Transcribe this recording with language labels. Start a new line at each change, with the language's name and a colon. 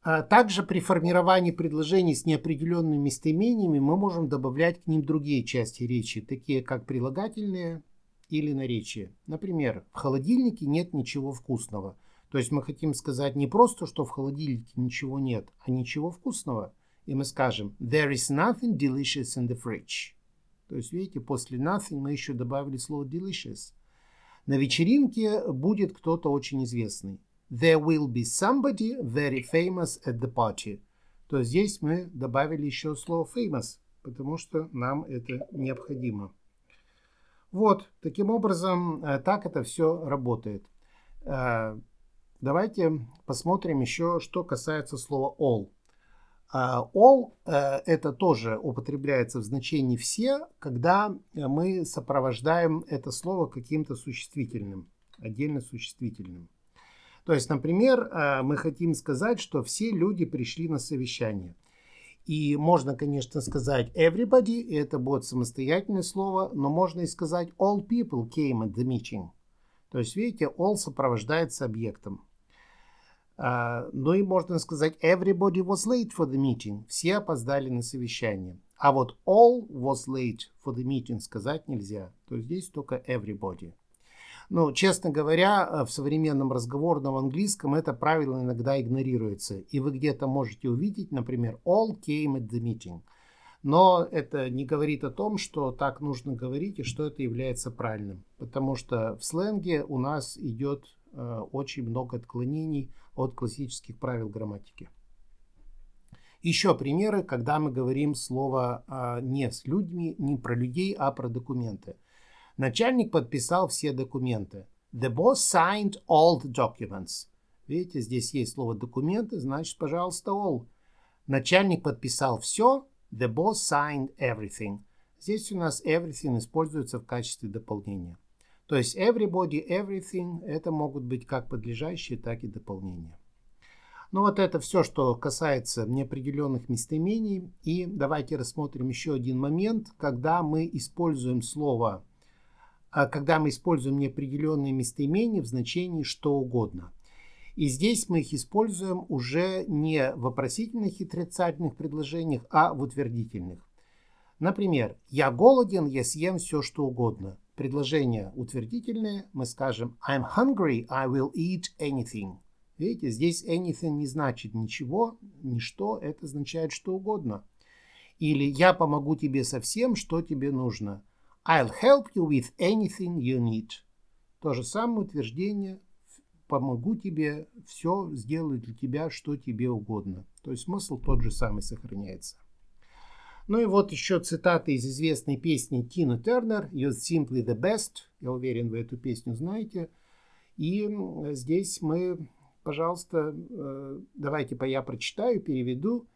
Russian: Также при формировании предложений с неопределенными местоимениями мы можем добавлять к ним другие части речи, такие как прилагательные или наречия. Например, в холодильнике нет ничего вкусного. То То есть мы хотим сказать не просто, что в холодильнике ничего нет, а ничего вкусного. И мы скажем
English: «There is nothing delicious in the fridge».
Russian: То есть, видите, после «nothing» мы еще добавили слово «delicious». На вечеринке будет кто-то очень известный.
English: «There will be somebody very famous at the party».
Russian: То есть здесь мы добавили еще слово «famous», потому что нам это необходимо. Вот, таким образом, так это все работает. Давайте посмотрим еще, что касается слова «all». All – это тоже употребляется в значении «все», когда мы сопровождаем это слово каким-то существительным, отдельно существительным. То есть, например, мы хотим сказать, что все люди пришли на совещание. И можно, конечно, сказать «everybody», и это будет самостоятельное слово, но можно и сказать
English: «all people came at the meeting».
Russian: То есть, видите, «all» сопровождается объектом. Ну и можно сказать
English: «everybody was late for the meeting».
Russian: Все опоздали на совещание. А вот
English: «all was late for the meeting»
Russian: сказать нельзя. То есть здесь только «everybody». Ну, честно говоря, в современном разговорном английском это правило иногда игнорируется. И вы где-то можете увидеть, например,
English: «all came at the meeting».
Russian: Но это не говорит о том, что так нужно говорить и что это является правильным. Потому что в сленге у нас идет очень много отклонений от классических правил грамматики. Еще примеры, когда мы говорим слово не с людьми, не про людей, а про документы. Начальник подписал все документы.
English: The boss signed all the documents.
Russian: Видите, здесь есть слово документы, значит, пожалуйста, all. Начальник подписал все.
English: The boss signed everything.
Russian: Здесь у нас everything используется в качестве дополнения. То есть everybody, everything – это могут быть как подлежащие, так и дополнения. Ну вот это все, что касается неопределенных местоимений. И давайте рассмотрим еще один момент, когда мы используем слово, когда мы используем неопределенные местоимения в значении «что угодно». И здесь мы их используем уже не в вопросительных и отрицательных предложениях, а в утвердительных. Например, «я голоден, я съем все, что угодно». Предложение утвердительное, мы скажем
English: I'm hungry, I will eat anything.
Russian: Видите, здесь anything не значит ничего, ничто, это означает что угодно. Или я помогу тебе со всем, что тебе нужно.
English: I'll help you with anything you need.
Russian: То же самое утверждение, помогу тебе, все сделаю для тебя, что тебе угодно. То есть смысл тот же самый сохраняется. Ну и вот еще цитаты из известной песни Тины Тернер «You're simply the best». Я уверен, вы эту песню знаете. И здесь мы, пожалуйста, давайте я прочитаю, переведу.